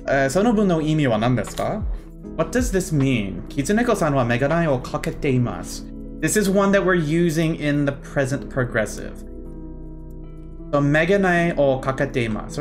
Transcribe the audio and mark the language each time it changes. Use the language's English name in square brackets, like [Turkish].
[Japanese] その文の意味は何ですか? [English] What does this mean? [Japanese] キツネコさんはメガネをかけています。 [English] This is one that we're using in the present progressive. [Japanese] So, メガネをかけています。